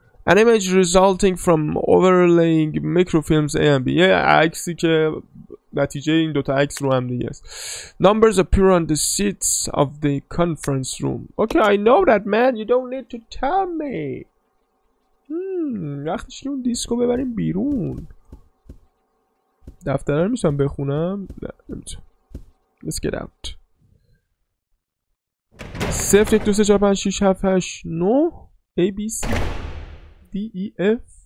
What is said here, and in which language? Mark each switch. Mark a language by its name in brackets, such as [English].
[English] An image resulting from overlaying microfilms A and B. [Persian] یه عکسی که نتیجه این دوتا عکس رو هم دیگه است. [English] Numbers appear on the seats of the conference room. Okay, I know that man, you don't need to tell me. [Persian] وقتش که اون دیسکو ببریم بیرون. دفتره رو میتونم بخونم؟ نه نمیتونم. [English] Let's get out. 0, 1, 2, 3, 4, 5, 6, 7, 8, 9 A, B, C, D, E, F.